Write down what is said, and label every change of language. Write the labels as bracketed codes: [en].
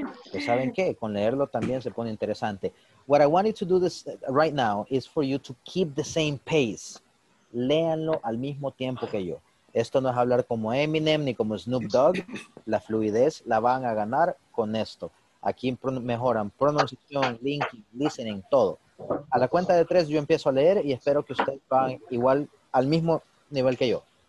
[es] Pues saben qué, con leerlo también se pone interesante. [en] What I wanted to do this right now is for you to keep the same pace. [es] Léanlo al mismo tiempo que yo. Esto no es hablar como Eminem ni como Snoop Dogg. La fluidez la van a ganar con esto. Aquí mejoran pronunciación, linking, listening, todo. A la cuenta de tres yo empiezo a leer y espero que ustedes van igual al mismo nivel que yo.